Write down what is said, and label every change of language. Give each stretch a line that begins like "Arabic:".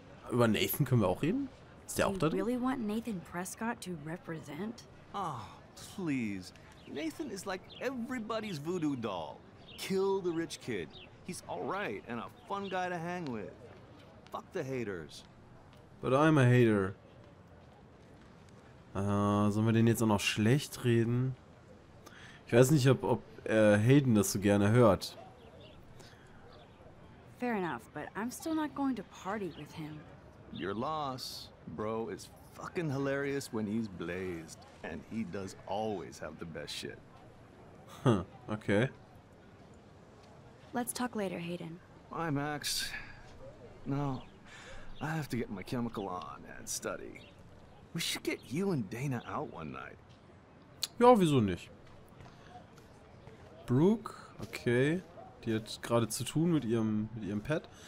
German: Über Nathan können wir auch reden? Ist der auch da drin?
English: You really want Nathan Prescott to represent? Oh, please. Nathan is like everybody's voodoo doll. Kill the rich kid. He's all right and a fun guy to hang with. Fuck the haters. But I'm a hater.
German: Sollen wir den jetzt auch noch schlecht reden? Ich weiß nicht, ob Hayden das so gerne hört.
English: Fair enough, but I'm still not going to party with him. Your loss, bro, is fucking hilarious when he's blazed. And he does always have the best shit. Huh, okay. Let's talk later, Hayden. Bye, Max. No. I have to get my chemical on and study. We should get you and Dana out one night.
German: Ja, wieso nicht? Brooke, okay. Die hat gerade zu tun mit ihrem Pet.